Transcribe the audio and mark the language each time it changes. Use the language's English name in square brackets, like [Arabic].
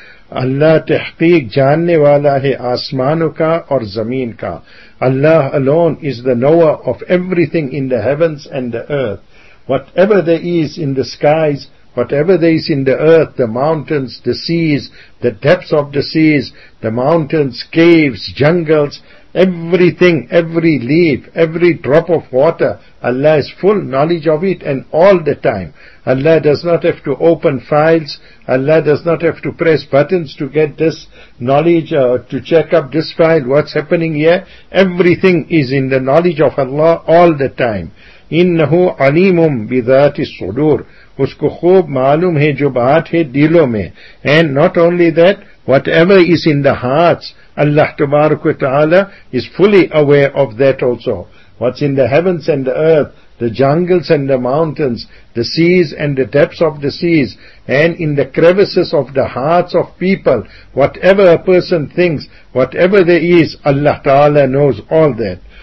[Urdu] Allah تحقیق جاننے والا ہے آسمانوں کا اور زمین کا. [English] Allah alone is the knower of everything in the heavens and the earth. Whatever there is in the skies, whatever there is in the earth, the mountains, the seas, the depths of the seas, the mountains, caves, jungles, everything, every leaf, every drop of water, Allah has full knowledge of it and all the time. Allah does not have to open files. Allah does not have to press buttons to get this knowledge, to check up this file, what's happening here. Everything is in the knowledge of Allah all the time. [Arabic] إِنَّهُ عَلِيمٌ بِذَاتِ الصُّدُورِ. [Urdu] اس کو خوب معلوم ہے جو بات ہے دلوں میں. [English] And not only that, whatever is in the hearts, Allah [Arabic] تبارک و تعالی [English] is fully aware of that also. What's in the heavens and the earth, the jungles and the mountains, the seas and the depths of the seas, and in the crevices of the hearts of people, whatever a person thinks, whatever there is, Allah تعالی knows all that.